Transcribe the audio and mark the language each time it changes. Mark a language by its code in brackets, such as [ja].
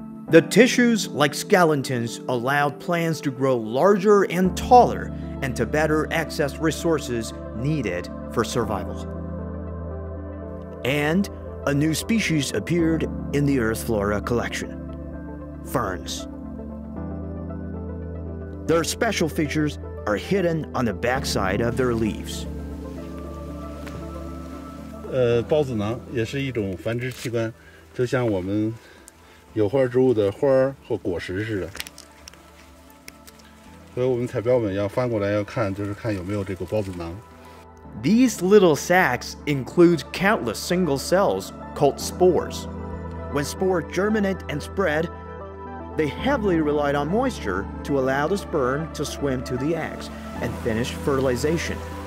[en] The tissues, like skeletons, allowed plants to grow larger and taller and to better access resources needed for survival. And a new species appeared in the Earth Flora collection, ferns. Their special features are hidden on the backside of their leaves. [zh] 孢子囊也是一种繁殖器官，就像我们有花植物的花或果实似的。所以我们采标本要翻过来要看，就是看有没有这个孢子囊。 [en] These little sacs include countless single cells called spores. When spores germinate and spread,They heavily relied on moisture to allow the sperm to swim to the eggs and finish fertilization.